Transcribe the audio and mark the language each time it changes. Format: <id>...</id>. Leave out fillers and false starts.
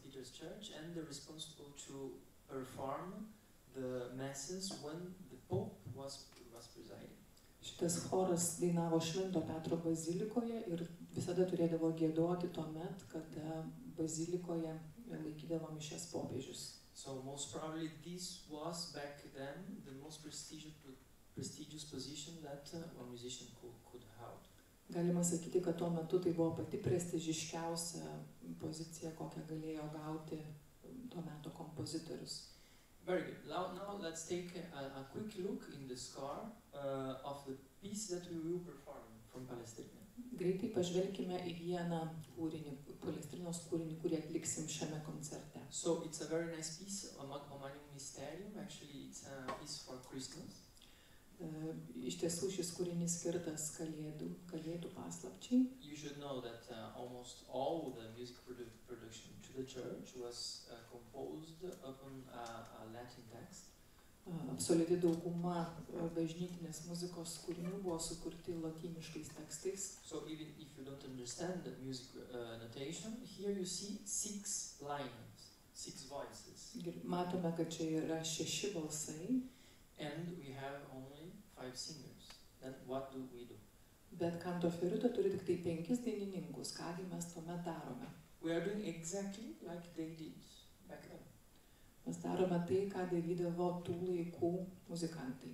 <en>Peter's Church and the responsible to perform the masses when the Pope was presiding.</en> <lt>Šitas choras dainavo Švento Petro bazilikoje ir visada turėdavo giedoti tuomet, kada bazilikoje laikydavo mišias popiežius.</lt> <en>So most probably this was back then the most prestigious position that a musician could have.</en> <lt>Galima sakyti, kad tuo metu tai buvo pati prestižiškiausia pozicija, kokią galėjo gauti tuo metu kompozitorius.</lt> <en>Very good. Now let's take a quick look in the score of the piece that we will perform from Palestrina.</en> <lt>Greitai pažvelkime į vieną kūrinį, Palestrinos kūrinį, kurį atliksim šiame koncerte.</lt> <en>So it's a very nice piece, Omanium Mysterium. Actually it's a piece for Christmas.</en> <lt>Iš tiesų šis kūrinis skirtas kalėdų paslapčiai.</lt> <en>You should know that almost all the music production to the church was composed upon a Latin text.</en> <lt>Absoliuti dauguma bažnytinės muzikos kūrinių buvo sukurti lotyniškais tekstais.</lt> <en>So even if you don't understand the music notation, here you see six lines, six voices.</en> <lt>Matome, kad čia yra šeši balsai.</lt> <en>And we have only five singers. Then what do we do?</en> <lt>Bet kanto fiuta turi tik tai penkis dainininkus. Ką gi mes tuomet darome?</lt> <en>We are doing exactly like they did back then.</en> <lt>Mes darome tai, ką darydavo tų laikų muzikantai.</lt>